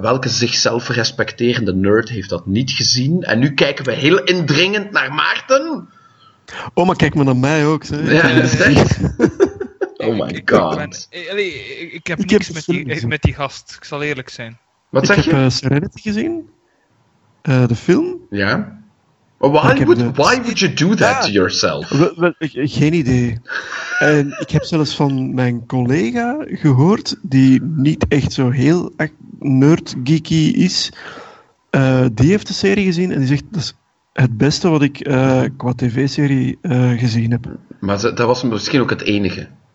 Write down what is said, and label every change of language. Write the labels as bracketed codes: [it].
[nl] Welke zichzelf respecterende nerd heeft dat niet gezien? En nu kijken we heel indringend naar Maarten. Oh, maar kijk maar naar mij ook. Ja, zeg. [en] Oh my god. [nl] Ik heb niks met die gast, ik zal eerlijk zijn. Wat zeg je? Ik heb Serenity gezien. De film. Ja. [en] Why would you do that to yourself? [nl] Geen idee. En ik heb zelfs van mijn collega gehoord, die niet echt zo heel nerd-geeky is, die heeft de serie gezien en die zegt, dat is het beste wat ik qua tv-serie gezien heb. Maar dat was misschien ook het enige.